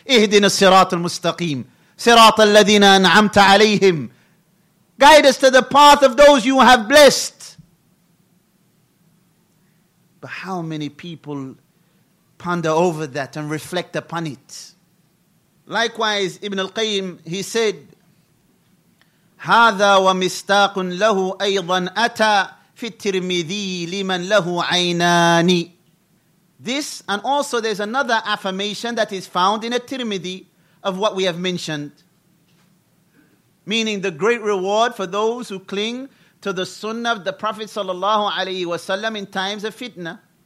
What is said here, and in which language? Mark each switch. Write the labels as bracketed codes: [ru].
[ar] Ihdina sirat al-mustaqim. Sirat al-ladina an'amta alayhim. [en] Guide us to the path of those you have blessed. But how many people ponder over that and reflect upon it? Likewise, Ibn al-Qayyim, he said, [ar] هَذَا وَمِسْتَاقٌ لَهُ أَيْضًا أَتَى فِي التِّرْمِذِي لِمَنْ لَهُ عَيْنَانِ. [en] This, and also there's another affirmation that is found in a Tirmidhi of what we have mentioned. Meaning the great reward for those who cling to the sunnah of the Prophet sallallahu alayhi wa sallam in times of fitna.